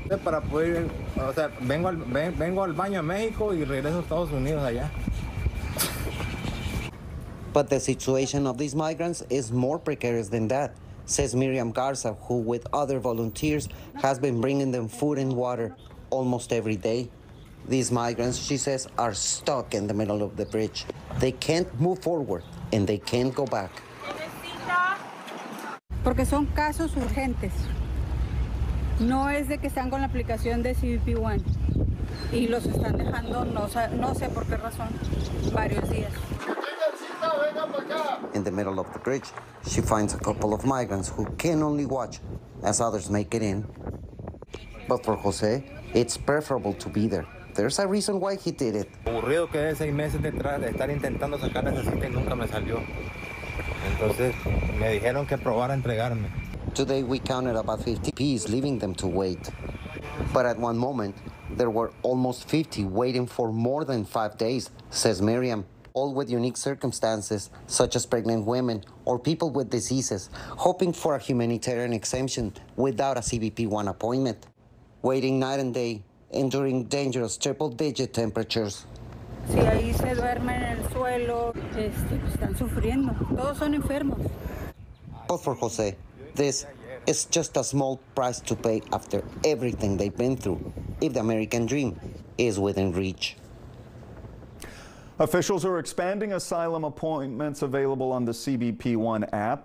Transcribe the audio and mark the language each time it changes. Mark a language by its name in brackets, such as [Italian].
[English] But the situation of these migrants is more precarious than that, says Miriam Garza, who with other volunteers has been bringing them food and water almost every day. These migrants, she says, are stuck in the middle of the bridge. They can't move forward and they can't go back. [Spanish] Porque son casos urgentes. No es de que están con la aplicación de CBP-1 y los están dejando, no sé por qué razón, varios días. [English] In the middle of the bridge, she finds a couple of migrants who can only watch as others make it in. But for Jose, it's preferable to be there. There's a reason why he did it. [Spanish] Aburrido que seis meses detrás de estar intentando sacar esa cita y nunca me salió. Entonces me dijeron que probara entregarme. [English] Today we counted about 50 P's leaving them to wait. But at one moment, there were almost 50 waiting for more than 5 days, says Miriam. all with unique circumstances, such as pregnant women or people with diseases, hoping for a humanitarian exemption without a CBP-1 appointment, waiting night and day, enduring dangerous triple-digit temperatures. [Spanish] Si ahí se duermen en el suelo, están sufriendo. Todos son enfermos. [English] But for Jose, this is just a small price to pay after everything they've been through, if the American dream is within reach. Officials are expanding asylum appointments available on the CBP One app.